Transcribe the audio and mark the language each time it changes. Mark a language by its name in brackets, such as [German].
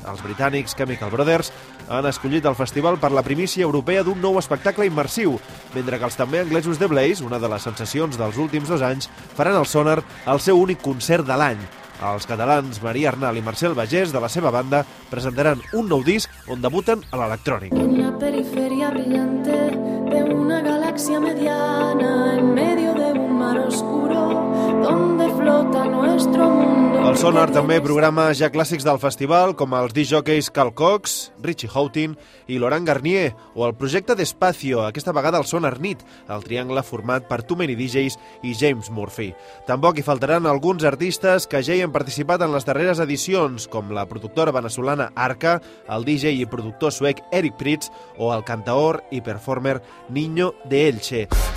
[Catalan] Els britànics Chemical Brothers han escollit el festival per la primícia europea d'un nou espectacle immersiu, mentre que els també anglesos The Blaze, una de les sensacions dels últims dos anys, faran el Sonar el seu únic concert de l'any. Els catalans Maria Arnal i Marcel Bagés, de la seva banda, presentaran un nou disc on debuten a l'electrònic. [Spanish] En la periferia brillante de una galàxia mediana, en medio de un mar oscuro, donde flota nuestro mundo. [Catalan] El Sonar també programa ja clàssics del festival, com els discjòqueis Carl Cox, Richie Houghton i Laurent Garnier, o el projecte Despacio, aquesta vegada el Sonar Nit, el triangle format per Too Many DJs i James Murphy. Tampoc hi faltaran alguns artistes que ja hi han participat en les darreres edicions, com la productora veneçolana Arca, el DJ i productor suec Eric Pritz o el cantaor i performer Niño de Elche.